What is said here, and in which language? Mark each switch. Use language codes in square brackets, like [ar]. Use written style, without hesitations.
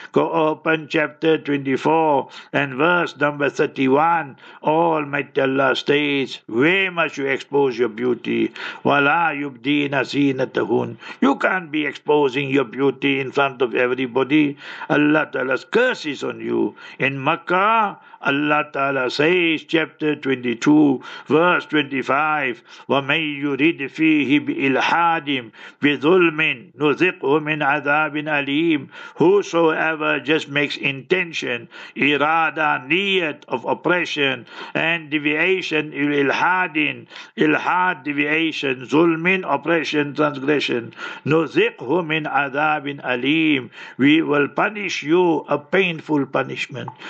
[en] Go open chapter 24 and verse number 31. Almighty Allah states, where must you expose your beauty? Wala yubdina zinatahun. You can't be exposing your beauty in front of everybody. Allah Ta'ala's curse is on you. In Makkah, Allah Ta'ala says, chapter 22, verse 25, [ar] وَمَن يُرِدْ فِيهِ بِإِلْحَادٍ بِظُلْمٍ نُذِقْهُ مِنْ عَذَابٍ أَلِيمٍ. [en] Whosoever just makes intention, irada, niyat of oppression and deviation, ilhadin, ilhad, deviation, zulmin, oppression, transgression, [ar] نُذِقْهُ مِنْ عَذَابٍ أَلِيمٍ. [en] We will punish you a painful punishment.